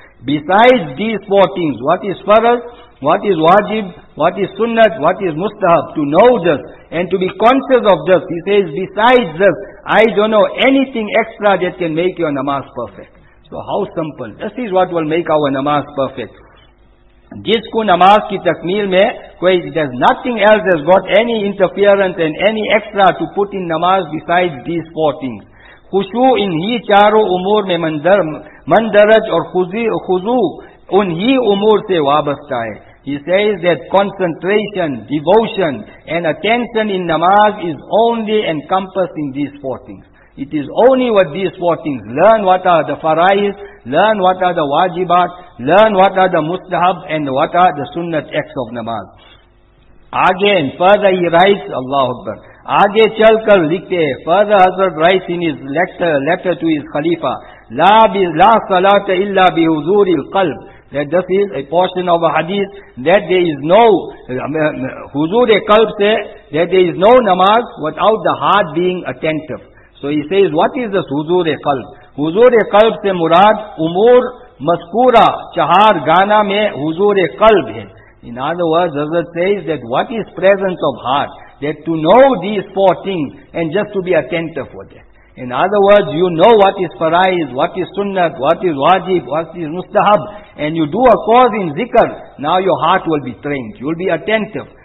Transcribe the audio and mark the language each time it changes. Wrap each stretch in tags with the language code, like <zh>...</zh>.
<en>Besides these four things, what is faraz, what is wajib, what is sunnat, what is mustahab, to know this and to be conscious of this, he says, besides this, I don't know anything extra that can make your namaz perfect. So how simple, this is what will make our namaz perfect.</en> <ur>Jis ko namaz ki takmeel mein,</ur> <en>there's nothing else that's got any interference and any extra to put in namaz besides these four things.</en> <ur>خشوع انہی چاروں امور میں مندرج اور خضوع انہی امور سے وابستہ ہے.</ur> <en>He says that concentration, devotion and attention in namaz is only encompassing these four things. It is only with these four things. Learn what are the faraiz, learn what are the wajibat, learn what are the mustahab and what are the sunnat acts of namaz. Again, further he writes, Allah Akbar.</en> <ur>آگے چل کر لکھتے ہیں,</ur> <en>further Hazrat writes in his letter to his Khalifa,</en> <ar>لا صلاة الا بحضور القلب,</ar> <en>that this is a portion of a hadith, that there is no حضور قلب سے, that there is no namaz without the heart being attentive. So he says, what is this حضور قلب?</en> <ur>حضور قلب سے مراد امور مذکورہ چہار گانا میں حضور قلب ہے.</ur> <en>In other words, Hazrat says that what is presence of heart? That to know these four things and just to be attentive for that. In other words, you know what is faraiz, what is sunnah, what is wajib, what is mustahab, and you do a cause in zikr, now your heart will be trained, you will be attentive.</en>